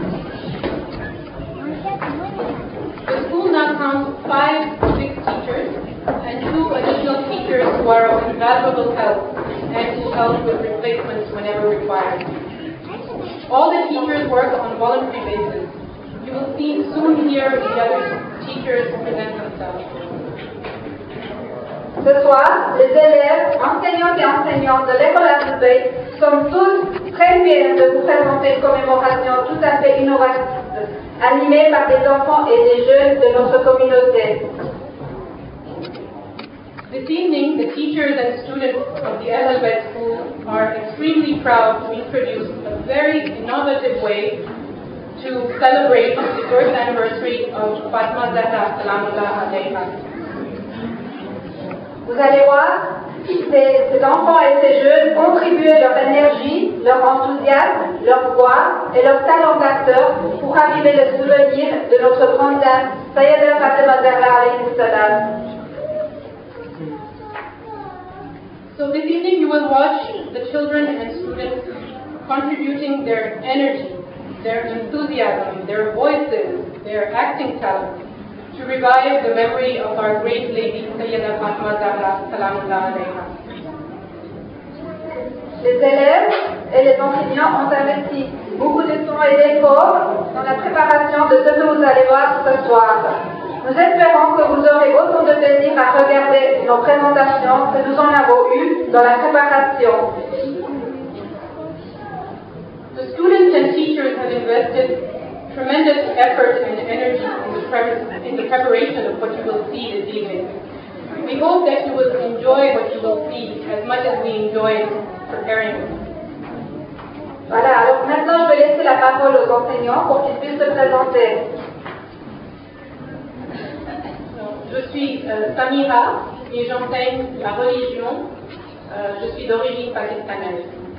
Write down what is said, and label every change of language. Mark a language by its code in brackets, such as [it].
[en] The school now counts 5 to 6 teachers and 2 additional teachers who are of invaluable help and who help with replacements whenever required. All the teachers work on a voluntary basis. You will see soon hear the other teachers present themselves. [fr] Ce soir, les élèves, enseignants et enseignantes de l'école Al-Bayt sont tous très fiers de vous présenter une commémoration tout à fait innovative, animée par des enfants et des jeunes de notre communauté. [en] This evening, the teachers and students of the Al-Bayt School are extremely proud to introduce a very innovative way to celebrate the birth anniversary of Fatima Zahra Salamullah alayha. [fr] Vous allez voir, ces enfants et ces jeunes contribuent leur énergie, leur enthousiasme, leur voix et leur talent d'acteur pour raviver le souvenir de notre grande dame Sayyida Fatima Zahra alayhi salam. [en] So this evening you will watch the children and students contributing their energy, their enthusiasm, their voices, their acting talent to revive the memory of our great lady Sayyida Fatima Zahra Salamullah alayha. [fr] Les élèves et les enseignants ont investi beaucoup de sons et d'échos dans la préparation de ce que vous allez voir ce soir. Nous espérons que vous aurez autant de plaisir à regarder nos présentations que nous en avons eu dans la préparation. [en] The students and teachers have invested tremendous effort and energy in the preparation of what you will see this evening. We hope that you will enjoy what you will see as much as we enjoy preparing. [fr] Voilà, alors maintenant je vais laisser la parole aux enseignants pour qu'ils puissent se présenter. Je suis Samira et j'enseigne la religion. Je suis d'origine pakistanaise.